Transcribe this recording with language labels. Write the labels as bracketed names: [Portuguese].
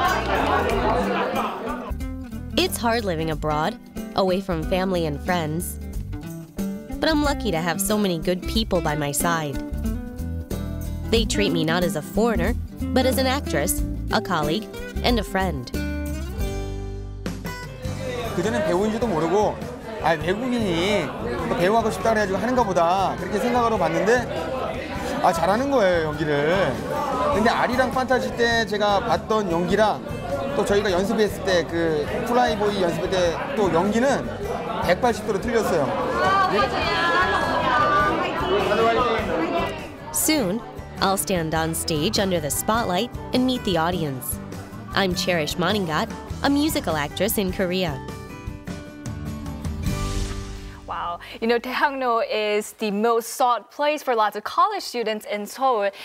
[English] It's hard living abroad, away from family and friends. But I'm lucky to have so many good people by my side. They treat me not as a foreigner, but as an actress, a colleague, and a friend. [Korean] 그전엔 배우인지도 모르고 아 외국인이 배우하고 싶다 그래가지고 하는가 보다 그렇게 생각으로 봤는데 아 잘하는 거예요 연기를. 근데 아리랑 판타지 때 제가 봤던 연기랑 또 저희가 연습했을 때 그 플라이보이 연습할 때 또 연기는 180도로 틀렸어요. [English] Soon, I'll stand on stage under the spotlight and meet the audience. I'm Cherish Maningat, a musical actress in Korea. Wow, you know, Daehangno is the most sought place for lots of college students in Seoul. Yeah.